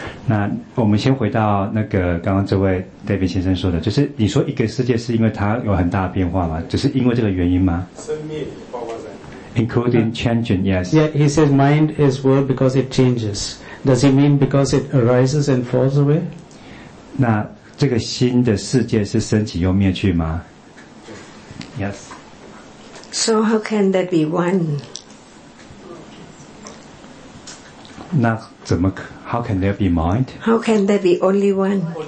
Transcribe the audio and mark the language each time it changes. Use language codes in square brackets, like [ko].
[zh] 那我们先回到那个刚刚这位 David 先生说的，就是你说一个世界是因为它有很大的变化吗？只是因为这个原因吗？生命包括在 [en] including changing, yes. Yeah, he says mind is world because it changes. Does he mean because it arises and falls away? [zh] 那这个新的世界是升起又灭去吗？ [en] Yes. So how can that be one? [zh] 那怎么可 [en] How can there be mind? How can there be only one?